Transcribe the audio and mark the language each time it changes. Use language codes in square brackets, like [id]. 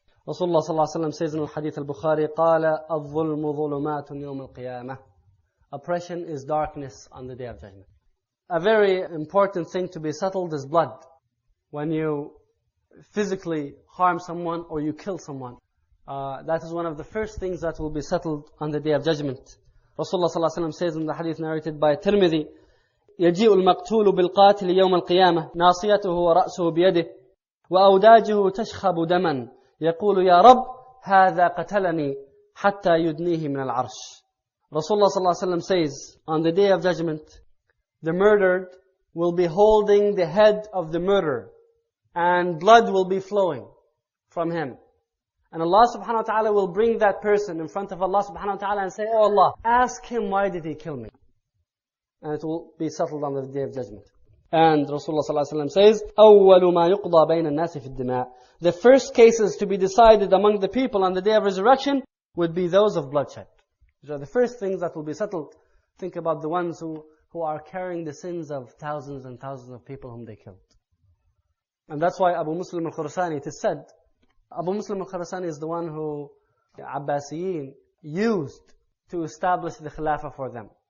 [en] Rasulullah sallallahu alayhi wa sallam says in al-Hadith al-Bukhari, [ar] قَالَ الظُّلْمُ ظُلُمَاتٌ يَوْمِ الْقِيَامَةِ. [en] Oppression is darkness on the Day of Judgment. A very important thing to be settled is blood. When you physically harm someone or you kill someone, that is one of the first things that will be settled on the Day of Judgment. Rasulullah ﷺ says in the hadith narrated by Tirmidhi, [ar] يَجِيءُ الْمَقْتُولُ بِالْقَاتِلِ يَوْمَ الْقِيَامَةِ نَاصِيَتُهُ وَرَأْسُهُ بِيَدِهِ وَأَوْدَاجُهُ تَشْخَبُ دَمًا يَقُولُ يَا رَبْ هَذَا قَتَلَنِي حَتَّى يُدْنِيهِ مِنَ الْعَرْشِ. [en] Rasulullah sallallahu alaihi wasallam says, on the Day of Judgment, the murdered will be holding the head of the murderer, and blood will be flowing from him. And Allah subhanahu wa ta'ala will bring that person in front of Allah subhanahu wa ta'ala and say, oh Allah, ask him why did he kill me? And it will be settled on the Day of Judgment. And Rasulullah sallallahu alaihi wasallam says, [ar] أَوَّلُ مَا يُقْضَى بَيْنَ النَّاسِ فِي الدِّمَاءِ. [en] The first cases to be decided among the people on the Day of Resurrection would be those of bloodshed. Are the first things that will be settled. Think about the ones who are carrying the sins of thousands and thousands of people whom they killed. And that's why Abu Muslim al-Khurasani, it is said, Abu Muslim al-Khurasani is the one who the Abbasiyin used to establish the Khilafah for them.